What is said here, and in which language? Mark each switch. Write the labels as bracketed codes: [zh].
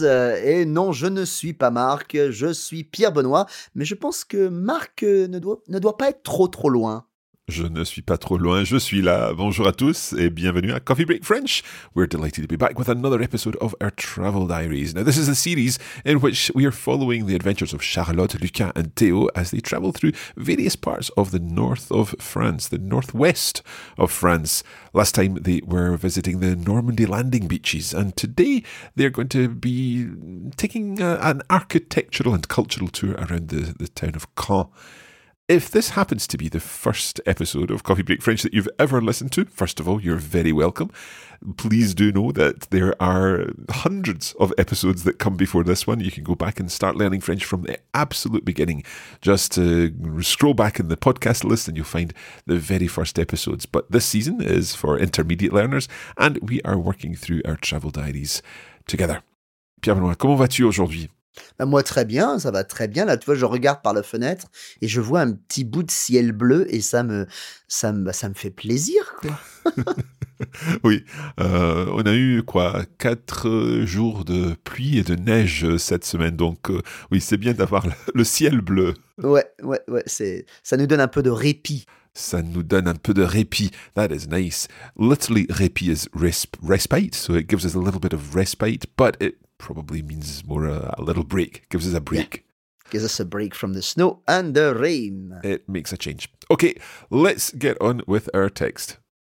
[fr] Et non, je ne suis pas Marc, je suis Pierre Benoît, mais je pense que Marc ne doit pas être trop loin. Je ne suis pas trop loin, je suis là. Bonjour à tous et bienvenue à Coffee Break French. [en] We're delighted to be back with another episode of our travel diaries. Now, this is a series in which we are following the adventures of Charlotte, Lucas and Théo as they travel through various parts of the north of France, the northwest of France. Last time they were visiting the Normandy landing beaches, and today they're going to be taking an architectural and cultural tour around the town of Caen. If this happens to be the first episode of Coffee Break French that you've ever listened to, first of all, you're very welcome. Please do know that there are hundreds of episodes that come before this one. You can go back and start learning French from the absolute beginning. Just scroll back in the podcast list and you'll find the very first episodes. But this season is for intermediate learners and we are working through our travel diaries together. [fr] Pierre Benoît, comment vas-tu aujourd'hui? Ben moi, très bien, ça va très bien. Là, tu vois, je regarde par la fenêtre et je vois un petit bout de ciel bleu et ça me fait plaisir, quoi. Oui, on a eu, quoi, 4 jours de pluie et de neige cette semaine. Donc, oui, c'est bien d'avoir le ciel bleu. Ouais. Ça nous donne un peu de répit. [en] That is nice. Literally, répit is respite, so it gives us a little bit of respite, but it probably means more a little break. Gives us a break. Yeah. Gives us a break from the snow and the rain. It makes a change. Okay, let's get on with our text.